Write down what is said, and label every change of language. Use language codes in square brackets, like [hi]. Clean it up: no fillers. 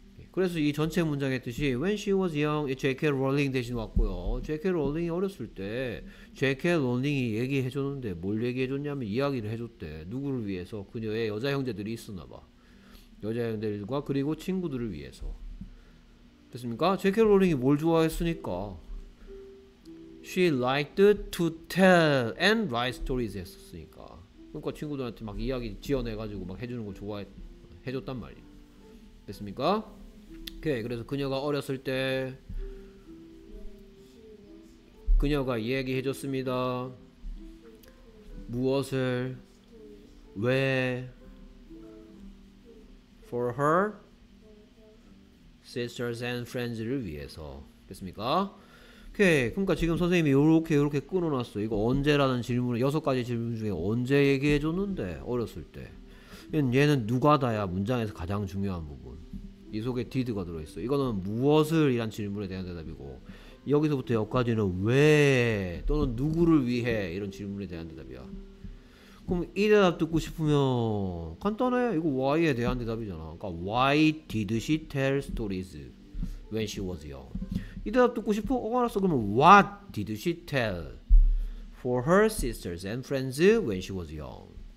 [ko] 그래서 이 전체 문장의 뜻이 [en] When she was young, [ko] J.K. Rowling 대신 왔고요. J.K. Rowling이 어렸을 때 J.K. Rowling이 얘기해 줬는데 뭘 얘기해 줬냐면 이야기를 해 줬대. 누구를 위해서? 그녀의 여자 형제들이 있었나 봐. 여자 형제들과 그리고 친구들을 위해서. 됐습니까? J.K. [en] Rowling이 [ko] 뭘 좋아했으니까 [en] She liked to tell and write stories [ko] 했었으니까. 그러니까 친구들한테 막 이야기 지어내 가지고 막 해주는 걸 좋아해 줬단 말이야. 됐습니까? 오케이. 그래서 그녀가 어렸을 때 그녀가 얘기해줬습니다. 무엇을? 왜? [en] For her sisters and friends를 [ko] 위해서. 됐습니까? 오케이. 그러니까 지금 선생님이 요렇게 끊어놨어. 이거 언제라는 질문을 여섯 가지 질문 중에 언제 얘기해줬는데? 어렸을 때. 얘는 누가다야. 문장에서 가장 중요한 부분. 이 속에 did가 들어있어. 이거는 무엇을 이란 질문에 대한 대답이고 여기서부터 여기까지는 왜 또는 누구를 위해 이런 질문에 대한 대답이야. 그럼 이 대답 듣고 싶으면 간단해. 이거 why에 대한 대답이잖아. [en] 그러니까 why did she tell stories when she was young? [ko] 이 대답 듣고 싶어? 알았어. [en] 그러면 what did she tell for her sisters and friends when she was young?